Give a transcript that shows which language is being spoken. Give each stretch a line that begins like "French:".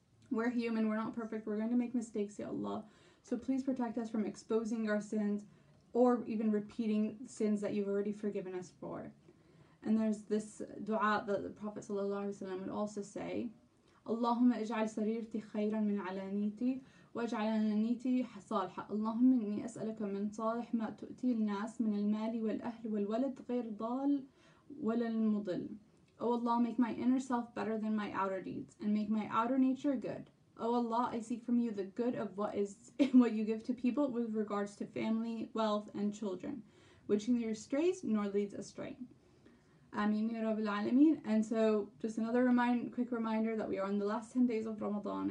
English: We're human, we're not perfect, we're going to make mistakes, Ya Allah. So please protect us from exposing our sins or even repeating sins that you've already forgiven us for. And there's this dua that the Prophet ﷺ would also say,
Arabic: Allahumma ij'al sarirti khayran min alaniti. واجعل نيتي صالحة اللهم إني أسألك من صالح ما تؤتي الناس من المال والأهل والولد غير ضال ولا المضل.
English: O Allah, make my inner self better than my outer deeds, and make my outer nature good. O Allah, I seek from you the good of what you give to people with regards to family, wealth, and children, which neither strays nor leads astray.
Arabic: Ameen ya Rabbil Alameen.
English: And so just another quick reminder that we are on the last 10 days of Ramadan.